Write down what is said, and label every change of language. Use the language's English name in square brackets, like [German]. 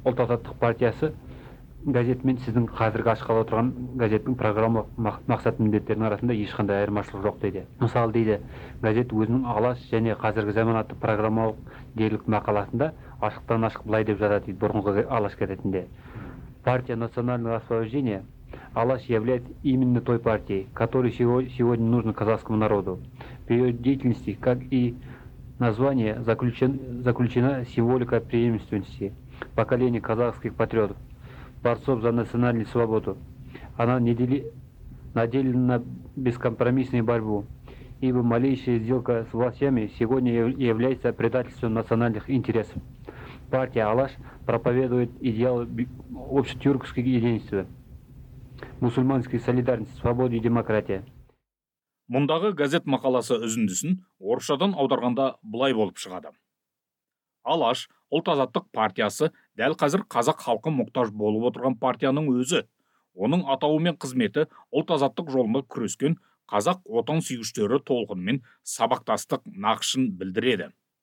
[Kazakh] Ұлт Азаттық партиясы газетімен сіздің қазіргі ашқалы отырған газеттің программа мақсат міндеттерінің арасында ешқандай айырмашылық жоқ дейді. Мысалы дейді, газет өзінің Алаш және қазіргі заман атты программалық дерлік мақаласында ашықтан ашық былай деп жазады дейді бұрынғы Алаш газетінде. [Russian] Партия национального освобождения Алаш являет именно той партией, которой сегодня нужно казахскому народу. В ее деятельности, как и название, заключена символика преемственности поколения казахских патриотов, борцов за национальную свободу. Она наделена на бескомпромиссную борьбу, ибо малейшая сделка с властями сегодня является предательством национальных интересов. Партия Алаш проповедует идеал общетюркских единства, мусульманской солидарности, свободы и демократии. [Kazakh] Мұндағы газет мақаласы үзіндісін орысшадан аударғанда былай болып шығады. Алаш, ұлт азаттық партиясы, дәл қазір қазақ халқы мұқтаж болып отырған партияның өзі. Оның атауы мен қызметі ұлт азаттық жолында күрескен қазақ отан сүйгіштері толқынымен сабақтастық нақышын білдіреді.